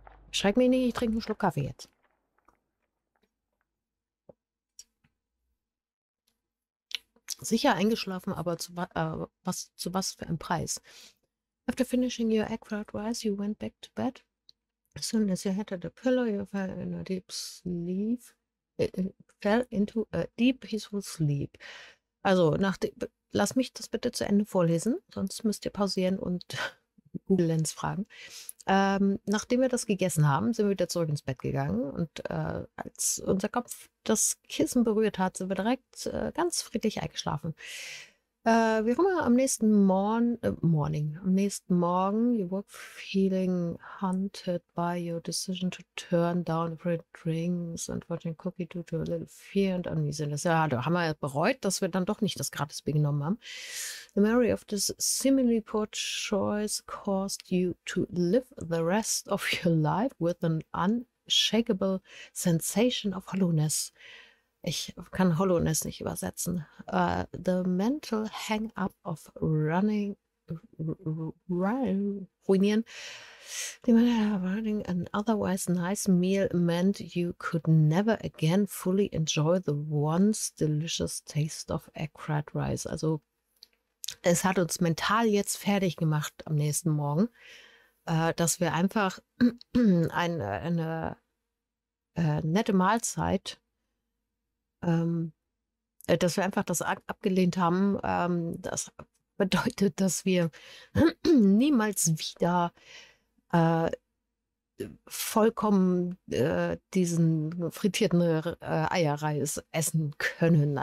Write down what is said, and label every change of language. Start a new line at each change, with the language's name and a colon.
German: Schreck mich nicht, ich trinke einen Schluck Kaffee jetzt. Sicher eingeschlafen, aber zu was für ein Preis.
English: After finishing your egg fried rice, you went back to bed. As soon as you had a pillow, you fell in a deep sleep. Fell into a deep, peaceful sleep.
German: Also, lass mich das bitte zu Ende vorlesen, sonst müsst ihr pausieren und Google Lens fragen. Nachdem wir das gegessen haben, sind wir wieder zurück ins Bett gegangen und als unser Kopf das Kissen berührt hat, sind wir direkt ganz friedlich eingeschlafen. Wir haben am nächsten Morgen,
English: you woke feeling haunted by your decision to turn down the free drinks and watching cookie due to a little fear and uneasiness.
German: Ja, da haben wir bereut, dass wir dann doch nicht das Gratisbier genommen haben.
English: The memory of this seemingly poor choice caused you to live the rest of your life with an unshakable sensation of hollowness.
German: Ich kann Hollowness nicht übersetzen.
English: The mental hang-up of running,
German: ruinieren.
English: The mental of running an otherwise nice meal meant you could never again fully enjoy the once delicious taste of egg fried rice.
German: Also es hat uns mental jetzt fertig gemacht am nächsten Morgen, dass wir einfach eine nette Mahlzeit, dass wir einfach das abgelehnt haben, das bedeutet, dass wir niemals wieder vollkommen diesen frittierten Eierreis essen können.